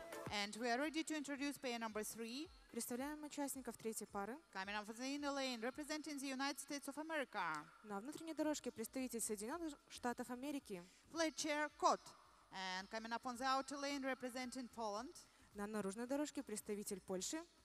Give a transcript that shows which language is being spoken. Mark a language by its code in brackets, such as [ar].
[en] And we are ready to introduce pair number three. [ru] Представляем участников третьей пары. [en] Coming off the inner lane, representing the United States of America. [ru] На внутренней дорожке представитель Соединенных Штатов Америки. Fletcher Kot. [en] And coming up on the outer lane, representing Poland. [ru] На наружной дорожке представитель Польши.